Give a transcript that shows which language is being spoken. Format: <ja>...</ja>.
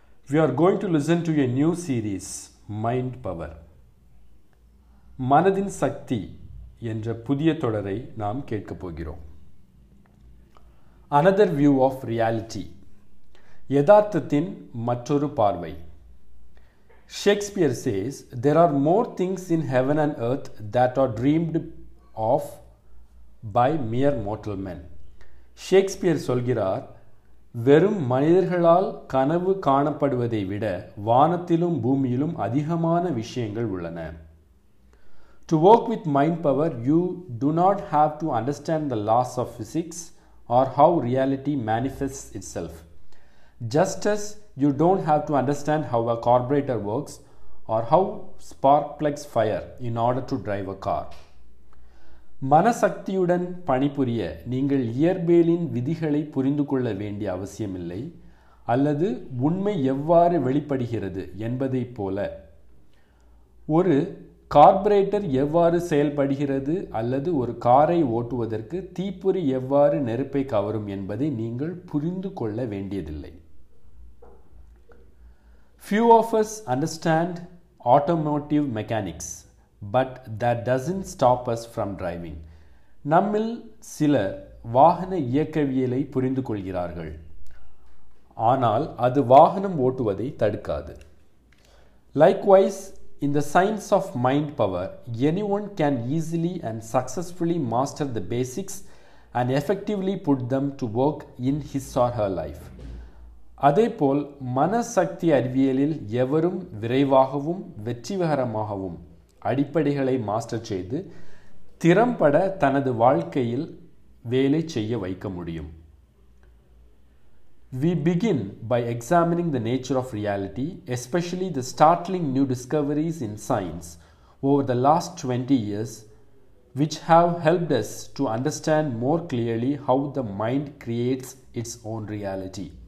<en>we are going to listen to a new series, mind power,</en> <ta>மனதின் சக்தி என்ற புதிய தொடரை நாம் கேட்கப் போகிறோம்.</ta> <en>another view of reality,</en> <ta>யதார்த்தத்தின் மற்றொரு பார்வை.</ta> <en>Shakespeare says there are more things in heaven and earth that are dreamed of by mere mortal men.</en> <ta>Shakespeare சொல்கிறார், வெறும் மனிதர்களால் கனவு காணப்படுவதை விட வானத்திலும் பூமியிலும் அதிகமான விஷயங்கள் உள்ளன.</ta> <en>To work with mind power, you do not have to understand the laws of physics or how reality manifests itself. Just as you don't have to understand how a carburetor works or how spark plugs fire in order to drive a car.</en> <ta>மனசக்தியுடன் பணிபுரிய நீங்கள் இயற்பியலின் விதிகளை புரிந்து கொள்ள வேண்டிய அவசியமில்லை, அல்லது உண்மை எவ்வாறு வெளிப்படுகிறது என்பதைப் போல. ஒரு கார்பரேட்டர் எவ்வாறு செயல்படுகிறது அல்லது ஒரு காரை ஓட்டுவதற்கு தீப்பொறி எவ்வாறு நெருப்பை கவரும் என்பதை நீங்கள் புரிந்து கொள்ள வேண்டியதில்லை.</ta> <en>Few of us understand automotive mechanics, but that doesn't stop us from driving.</en> <ta>நம்மில் சிலர் வாகன இயக்கவியலை புரிந்து கொள்கிறார்கள், ஆனால் அது வாகனம் ஓட்டுவதை தடுக்காது.</ta> <en>Likewise, in the science of mind power, anyone can easily and successfully master the basics and effectively put them to work in his or her life.</en> <ta>அதேபோல் மனசக்தி அறிவியலில் எவரும் விரைவாகவும் வெற்றிகரமாகவும் அடிப்படைகளை மாஸ்டர் செய்து திறம்பட தனது வாழ்க்கையில் வேலை செய்ய வைக்க முடியும்.</ta> <en>We begin by examining the nature of reality, especially the startling new discoveries in science over the last 20 years which have helped us to understand more clearly how the mind creates its own reality.</en>